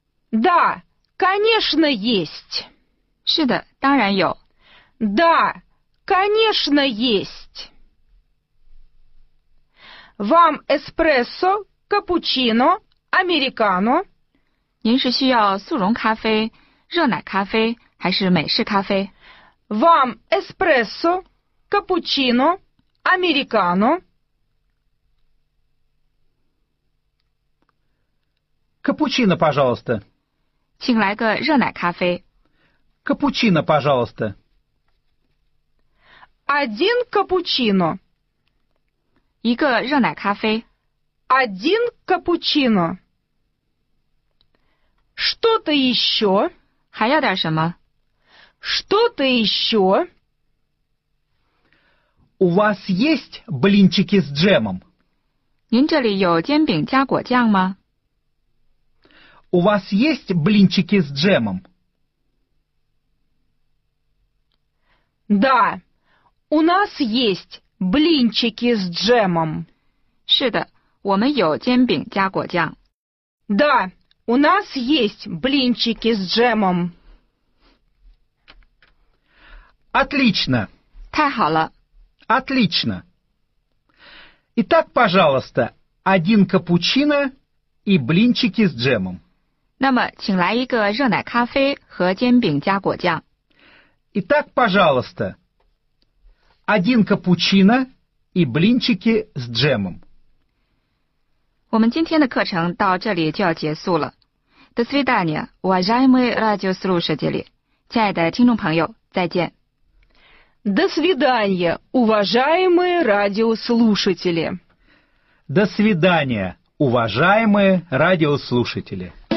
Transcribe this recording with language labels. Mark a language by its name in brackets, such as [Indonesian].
[Russian] Да, конечно, есть. [Chinese] 是的，当然有. [Russian] Да, конечно, есть. Вам эспрессо, капучино, американо? [Chinese] 您是需要速溶咖啡、热奶咖啡还是美式咖啡? [Russian] Вам эспрессо, капучино, американо? Капучино, пожалуйста. [Chinese] 请来个热奶咖啡. [Russian] Капучино, пожалуйста. Один капучино. [Chinese] 一个热奶咖啡. [Russian] Один капучино. Что-то еще? [Chinese] 还要点什么? [Russian] Что-то еще? У вас есть блинчики с джемом? [Chinese] 您这里有煎饼加果酱吗? [Russian] У вас есть блинчики с джемом? Да, у нас есть блинчики с джемом. [Chinese] 是的，我们有煎饼加果酱. [Russian] Да, у нас есть блинчики с джемом. Отлично. [Chinese] 太好了. [Russian] Отлично. Итак, пожалуйста, один капучино и блинчики с джемом. [Chinese] 那么请来一个热奶咖啡和煎饼加果酱. [Russian] Итак, пожалуйста, один капучино и блинчики с джемом. [Chinese] 我们今天的课程到这里就要结束了. [Russian] До свидания, уважаемые радиослушатели. [Chinese] 亲爱的听众朋友，再见. [Russian] До свидания, уважаемые радиослушатели. До свидания, уважаемые радиослушатели.